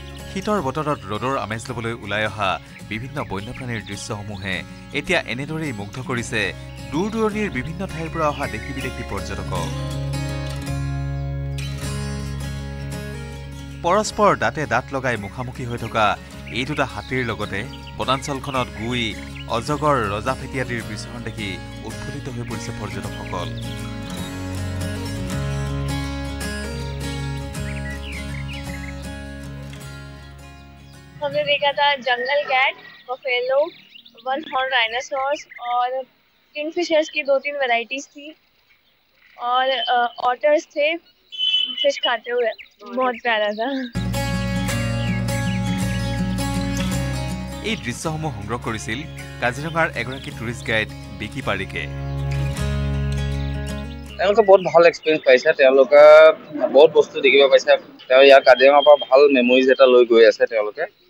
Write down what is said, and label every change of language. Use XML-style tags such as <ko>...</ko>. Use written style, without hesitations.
<as>শীতৰ বতৰত ৰ'দৰ আমেজ ল'বলৈ ওলাই অহা বিভিন্ন বন্যপ্ৰাণীৰ দৃশ্যসমূহে এতিয়া এনেদৰেই মুগ্ধ কৰিছে দূৰ দূৰণিৰ বিভিন্ন ঠাইৰ পৰা অহা দেশী বিদেশী পৰ্যটকক পৰস্পৰ দাঁতে দাঁত লগাই মুখামুখি হৈ থকা এই দুটা হাতীৰ লগতে বনাঞ্চলখনত গুই অজগৰ ৰজা ফেটিয়াদিৰ বিচৰণ দেখি উৎফুল্লিত হৈ পৰিছে পৰ্যটকসকল</as> <hi>हमने देखा था jungle cat buffalo one horn dinosaurs और किंगफिशर्स की दो तीन वैरायटीज थी और ऑटर्स थे फिश खाते हुए बहुत प्यारा था</hi> <as>এই দৃশ্যসমূহ সংগ্ৰহ কৰিছিল কাজিৰঙাৰ এগৰাকী টুৰিষ্ট গাইড বিকি পাৰিকে তেওঁলোকে বহুত ভাল এক্সপিৰিয়েঞ্চ পাইছে তেওঁলোকে বহুত বস্তু দেখিব পাইছে তেওঁ ইয়াৰ কাজিৰঙাৰ পৰা ভাল মেমৰিজ এটা লৈ গৈ আছে তেওঁলোকে</as>